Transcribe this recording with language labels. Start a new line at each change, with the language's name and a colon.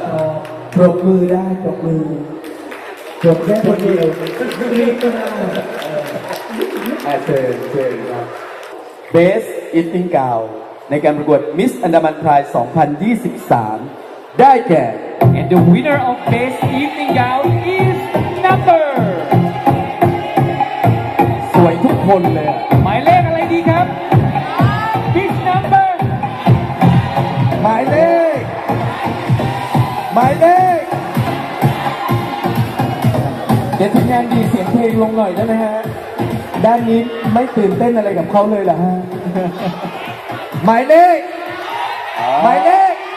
Thai: ชอบปรบมือได้ปรบมือจบแค่คนเดียวรีบก็ได้เชิญเชิญครับเบสอินทิงเก่าในการประกวดมิสอันดามันไพร2023ได้แก่
English: And the winner of Best Evening Gown is number
Thai: สวยทุกคนเลย หมายเลขอะไรดีครับ
English: Miss Number
Thai: หมายเลขหมายเลขเด็กทีมงานดีเสียงเพลงลงหน่อยได้ไหมฮะด้านนี้ไม่ตื่นเต้นอะไรกับเขาเลยเหรอฮะหมายเลขหมายเลข